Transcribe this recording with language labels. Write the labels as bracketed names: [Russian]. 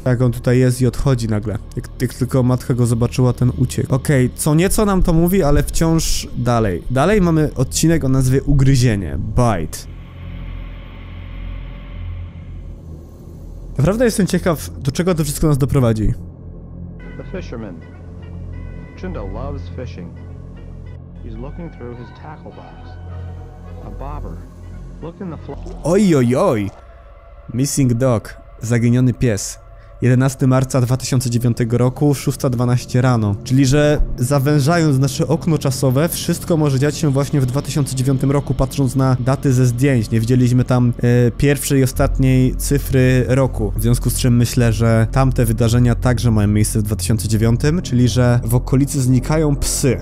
[Polish] Jak on tutaj jest i odchodzi nagle. Jak tylko matka go zobaczyła, ten uciekł. Okej, co nieco nam to mówi, ale wciąż dalej. Dalej mamy odcinek o nazwie Ugryzienie. Bite. Naprawdę jestem ciekaw, do czego to wszystko nas doprowadzi. [English] The fisherman. Chinda loves fishing. He's looking through his tackle box. A bobber. Look in the fly. Oj. Missing dog. [Polish] Zaginiony pies. 11 marca 2009 roku, 6:12 rano. Czyli, że zawężając nasze okno czasowe, wszystko może dziać się właśnie w 2009 roku, patrząc na daty ze zdjęć. Nie widzieliśmy tam pierwszej i ostatniej cyfry roku. W związku z czym myślę, że tamte wydarzenia także mają miejsce w 2009, czyli, że w okolicy znikają psy.